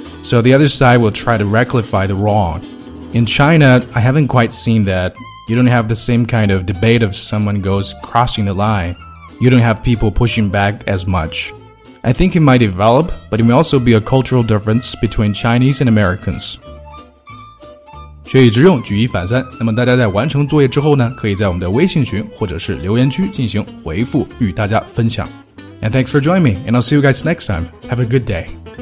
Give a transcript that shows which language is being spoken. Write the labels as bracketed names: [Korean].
[English] So the other side will try to rectify the wrong. In China, I haven't quite seen that. You don't have the same kind of debate if someone goes crossing the line. You don't have people pushing back as much. I think it might develop, but it may also be a cultural difference between Chinese and Americans. [Chinese] 学以致用，举一反三。那么大家在完成作业之后呢，可以在我们的微信群或者是留言区进行回复，与大家分享。 [English] And thanks for joining me, and I'll see you guys next time. Have a good day.